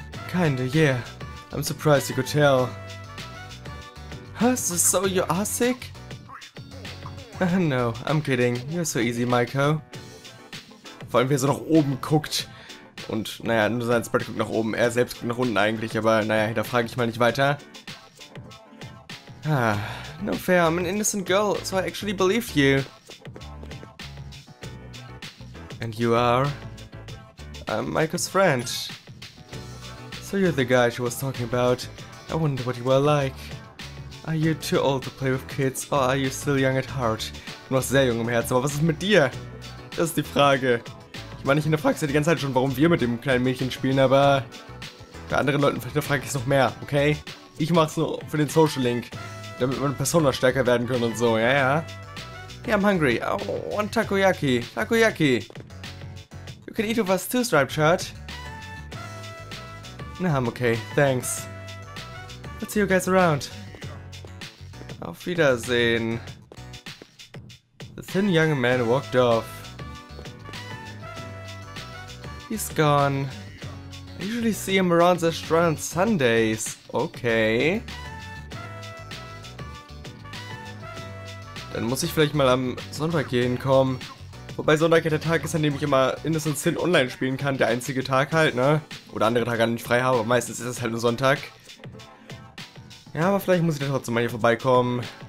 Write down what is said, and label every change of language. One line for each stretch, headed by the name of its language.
English: Kinda, yeah. I'm surprised you could tell. Huh, so you are sick? No, I'm kidding. You're so easy, Maiko.
German: Vor allem, wie er so nach oben guckt. Und, naja, nur sein Spread guckt nach oben. Er selbst guckt nach unten eigentlich, aber, naja, da frage ich mal nicht weiter.
English: Ah, no fair. I'm an innocent girl, so I actually believe you. And you are? I'm Maiko's friend. So you're the guy she was talking about. I wonder what you were like. Are you too old to play with kids, or are you still young at heart?
German: Du warst sehr jung im Herzen, aber was ist mit dir? Das ist die Frage. Ich meine, ich hinterfrage es ja die ganze Zeit schon, warum wir mit dem kleinen Mädchen spielen, aber... Bei anderen Leuten hinterfrage ich es noch mehr, okay? Ich mach's nur für den Social Link, damit meine Persona stärker werden können und so, ja.
English: Hey, I'm hungry. I want takoyaki. Takoyaki. You can eat with us too, Striped Shirt. Nah, I'm okay. Thanks. Let's see you guys around.
German: Auf Wiedersehen.
English: The thin young man walked off. He's gone. I usually see him around the strand on Sundays. Okay.
German: Dann muss ich vielleicht mal am Sonntag gehen, komm. Wobei Sonntag ja der Tag ist, an dem ich immer Innocent Sin online spielen kann. Der einzige Tag halt, ne? Oder andere Tage gar nicht frei habe, aber meistens ist es halt nur Sonntag. Ja, aber vielleicht muss ich da trotzdem mal hier vorbeikommen.